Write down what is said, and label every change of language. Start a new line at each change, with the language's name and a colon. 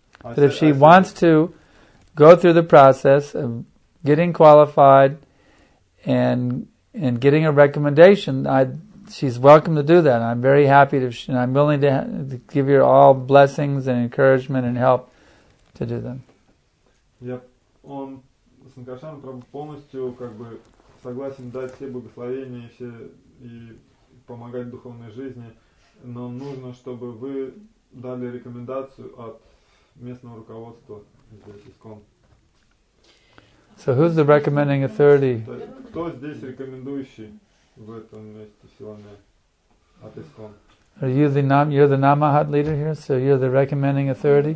English: But if she wants to go through the process of getting qualified and getting a recommendation, she's welcome to do that. I'm very happy to, and I'm willing to give you all blessings and encouragement and help to do them. Yep.
Russian: Он Санкаршан Прабху полностью как бы согласен дать все благословения и все и помогать в духовной жизни, но нужно, чтобы вы дали рекомендацию от местного руководства здесь, ИСККОН.
English: So who's the recommending authority?
Russian: Кто здесь рекомендующий в этом месте Силаме от ИСККОН?
English: Are you the you're the Namahat leader here, so you're the recommending authority?